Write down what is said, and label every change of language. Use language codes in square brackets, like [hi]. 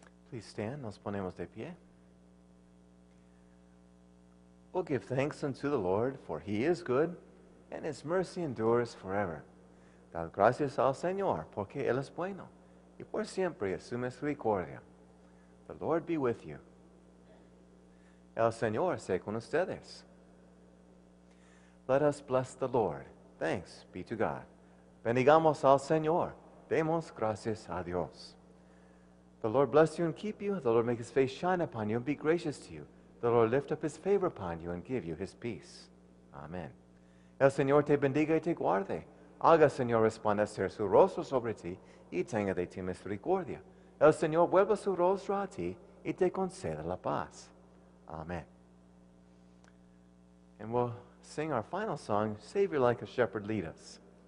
[en] Please stand, [es] nos ponemos de pie. [en] We'll give thanks unto the Lord, for he is good, and his mercy endures forever. [es] Dad gracias al Señor, porque él es bueno, y por siempre es su misericordia. [en] The Lord be with you. [es] El Señor sea con ustedes. [en] Let us bless the Lord. Thanks be to God. [es] Bendigamos al Señor. Demos gracias a Dios. [en] The Lord bless you and keep you. The Lord make his face shine upon you and be gracious to you. The Lord lift up his favor upon you and give you his peace. [es] Amen. El Señor te bendiga y te guarde. Haga, Señor, resplandecer su rostro sobre ti y tenga de ti misericordia. El Señor vuelva su rostro a ti y te conceda la paz. Amen. [en] And we'll sing our final song, Savior Like a Shepherd Lead Us.